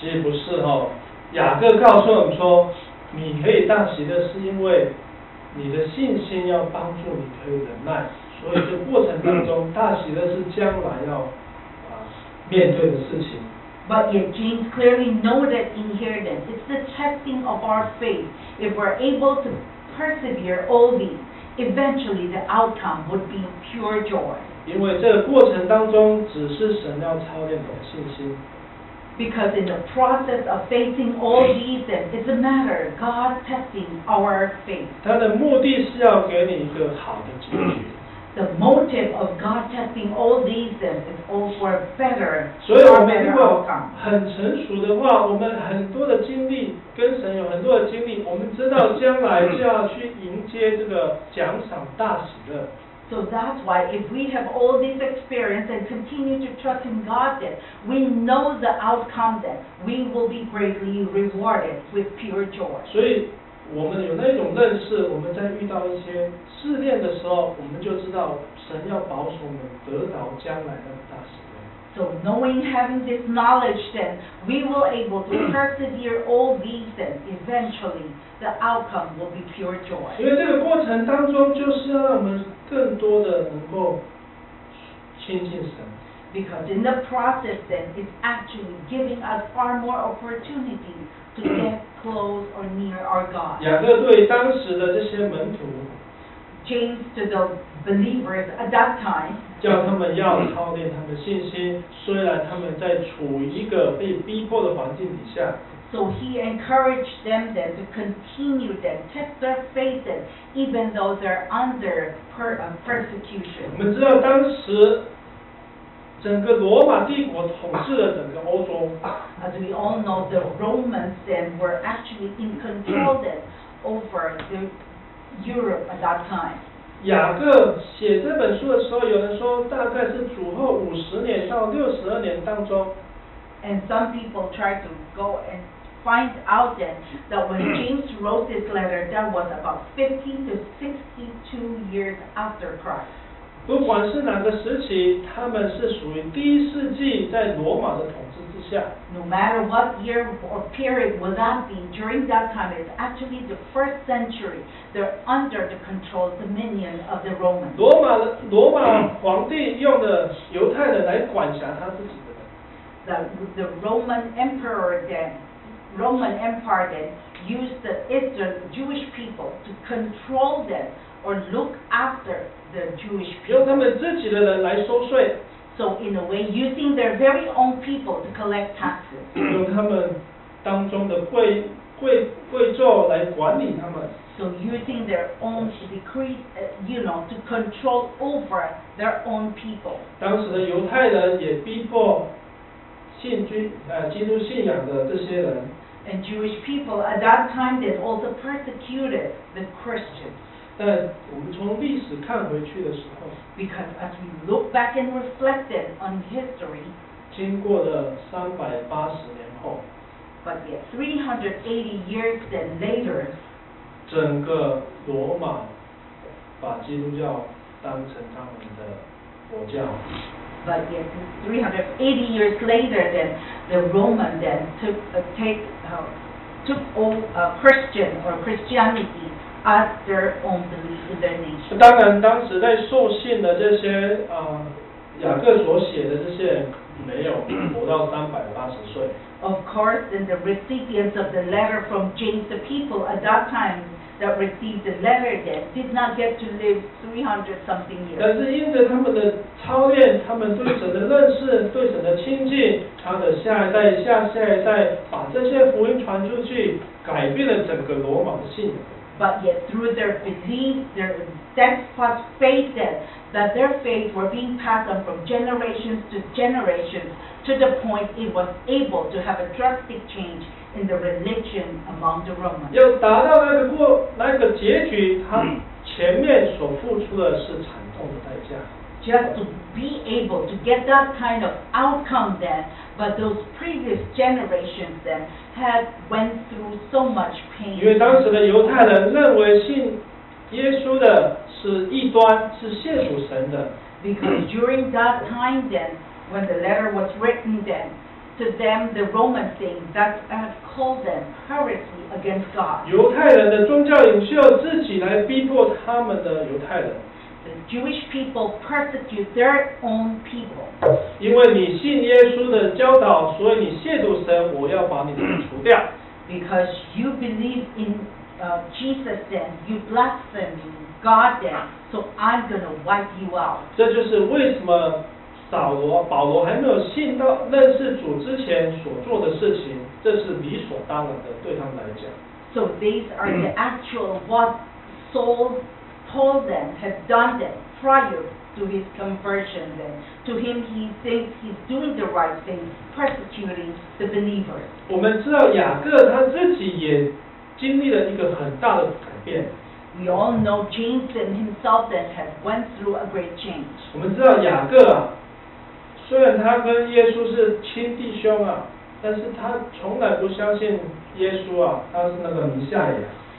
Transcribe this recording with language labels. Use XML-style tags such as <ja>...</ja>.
<zh>其实不是哦，雅各告诉我们说，你可以大喜乐，是因为你的信心要帮助你可以忍耐。所以这过程当中，大喜乐是将来要面对的事情。</zh> <en>But yet James clearly noted inheritance. It's the testing of our faith. If we're able to persevere all these, eventually the outcome would be pure joy.</en> <zh>因为这个过程当中，只是神要操练我的信心。</zh> <en>Because in the process of facing all these, it's a matter of God testing our faith.</en> <zh>他的目的是要给你一个好的结局。</zh> <en>The motive of God testing all these things is all for better.</en> <zh>所以我们如果很成熟的话，我们很多的经历跟神有很多的经历，我们知道将来就要去迎接这个奖赏大喜乐。</zh> <en>So that's why if we have all these experiences and continue to trust in God, then we know the outcome. Then we will be greatly rewarded with pure joy.</en> <zh>所以我们有那种认识，我们在遇到一些试炼的时候，我们就知道神要保守我们得到将来的大喜乐。</zh> <en>So knowing having this knowledge, then we will able to persevere all these, then eventually the outcome will be pure joy.</en> <zh>因为这个过程当中，就是要让我们更多的能够亲近神。</zh> <en>Because in the process, then it's actually giving us far more opportunities to get close or near our God.</en> <zh>雅各对当时的这些门徒</zh> <en>James to the believers at that time</en> <zh>叫他们要操练他们的信心，虽然他们在处于一个被逼迫的环境底下。</zh> <en>So he encouraged them then to continue them, test their faith then, even though they're under persecution.</en> <zh>我们知道当时整个罗马帝国统治了整个欧洲。</zh> <en>As we all know, the Romans then were actually in control then over the Europe at that time.</en> <zh>雅各写这本书的时候，有人说大概是主后五十年到六十二年当中。</zh> <en>And some people tried to go and find out then that when James wrote this letter, that was about 50 to 62 years after Christ.</en> <zh>不管是哪个时期，他们是属于第一世纪在罗马的统治之下。</zh> <en>No matter what year or period was that be, during that time, it's actually the first century. They're under the control dominion of the Romans.</en> <zh>罗马皇帝用的犹太人来管辖他自己的人。</zh> <en>The Roman Emperor then, Roman Empire then, used the Eastern Jewish people to control them or look after the Jewish people.</en> <zh>用他们自己的人来收税。</zh> <en>So in a way, using their very own people to collect taxes.</en> <zh>用他们当中的贵胄来管理他们。</zh> <en>So using their own decree, you know, to control over their own people.</en> <zh>当时的犹太人也逼迫基督信仰的这些人。</zh> <en>And Jewish people at that time they also persecuted the Christians.</en> <zh>但我们从历史看回去的时候</zh> <en>，Because as we look back and reflected on history，</en> <zh>经过了380年后</zh> <en>，But yet 380 years then later，</en> <zh>整个罗马把基督教当成他们的国教。</zh> <en>But yet, 380 years later, then the Roman then took Christian or Christianity as their own belief in their nation.</en> <zh>当然，当时在受信的这些雅各所写的这些没有活到380岁。</zh> <en>Of course, in the recipients of the letter from James, the people at that time that received the letter then did not get to live 300 something years.</en> <zh>但是因着他们的操练，他们对神的认识，对神的亲近，他的下一代、下下一代把这些福音传出去，改变了整个罗马的信仰。</zh> <en>But yet through their belief, their steadfast faith, then, that their faith were being passed on from generations to generations, to the point it was able to have a drastic change in the religion among the Romans.</en> <zh>要达到那个结局，他前面所付出的是惨痛的代价。</zh> <en>just to be able to get that kind of outcome then, but those previous generations then had went through so much pain.</en> <zh>因为当时的犹太人认为信耶稣的是异端，是亵渎神的。</zh> <en>Because during that time then, when the letter was written then, to them the Roman thing that had called them heresy against God.</en> <zh>犹太人的宗教领袖自己来逼迫他们的犹太人。</zh> <en>The Jewish people persecute their own people.</en> <zh>因为你信耶稣的教导，所以你亵渎神，我要把你除掉。</zh> <en>Because you believe in Jesus then, you blaspheme God then, so I'm gonna wipe you out.</en> <zh>这就是为什么保罗还没有信到认识主之前所做的事情，这是理所当然的对他们来讲。</zh> <en>So these are the actual what Saul told them, had done them prior to his conversion then. To him he thinks he's doing the right thing, persecuting the believers.</en> <zh>我们知道雅各他自己也经历了一个很大的改变。</zh> <en>We all know James and himself that has went through a great change.</en> <zh>我们知道雅各啊，虽然他跟耶稣是亲弟兄啊，但是他从来不相信耶稣啊，他是那个弥赛亚。</zh>